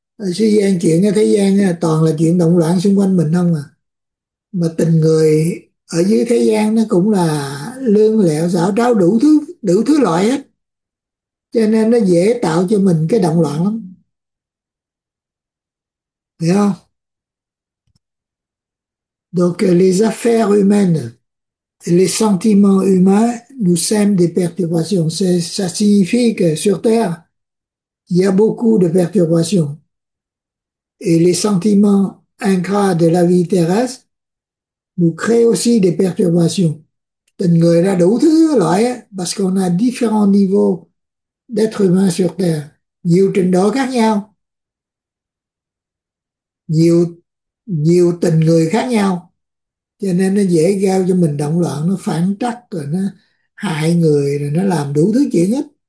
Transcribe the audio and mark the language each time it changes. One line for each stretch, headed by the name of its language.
Vietnamese: Ở thế gian, chuyện ở thế gian á, toàn là chuyện động loạn xung quanh mình không à. Mà tình người ở dưới thế gian nó cũng là lươn lẹo xảo tráo, đủ thứ loại hết, cho nên nó dễ tạo cho mình cái động loạn lắm, hiểu không?
French: Donc les affaires humaines, les sentiments humains nous sèment des perturbations. Ça signifie que sur Terre il y a beaucoup de perturbations, et les sentiments ingrats de la vie terrestre nous créent aussi des perturbations.
Vietnamese: Tình người là đủ thứ loại,
French: parce qu'on a différents niveaux d'être humain sur Terre,
Vietnamese: nhiều trình độ khác nhau, nhiều nhiều tình người khác nhau, cho nên nó dễ gieo cho mình động loạn, nó phản trắc rồi nó hại người rồi nó làm đủ thứ chuyện hết.